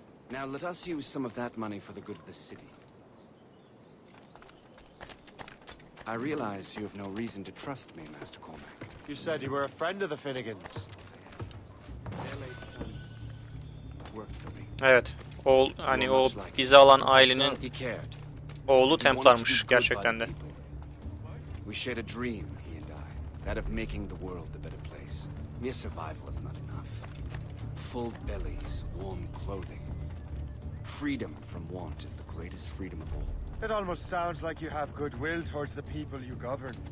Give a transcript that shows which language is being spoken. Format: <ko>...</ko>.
<en>Now let us use some of that money for the good of the city. I realize you have no reason to trust me, Master Cormac. You said you were a friend of the Finnegans. Their late son worked for me.</en> <tr>Evet. Oğul, hani o bize alan ailenin oğlu Templar'mış gerçekten de.</tr> <en>We shared a dream, he and I. That of making the world a better place. Mere survival is not enough. Full bellies, warm clothing. Freedom from want is the greatest freedom of all. It almost sounds like you have goodwill towards the people you govern.</en>